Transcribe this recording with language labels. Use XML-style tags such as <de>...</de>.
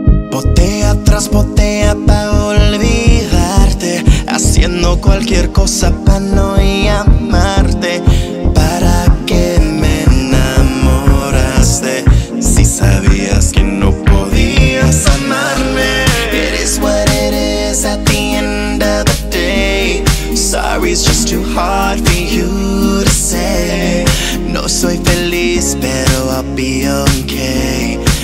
<es>Botella tras botella pa' olvidarte, haciendo cualquier cosa pa' no llamarte. ¿Para qué me enamoraste si sabías que no podías amarme?</es> <en>It is what it is at the end of the day. Sorry's just too hard for you to say.</en> <es>No soy feliz, pero</es> <en>I'll be okay.</en>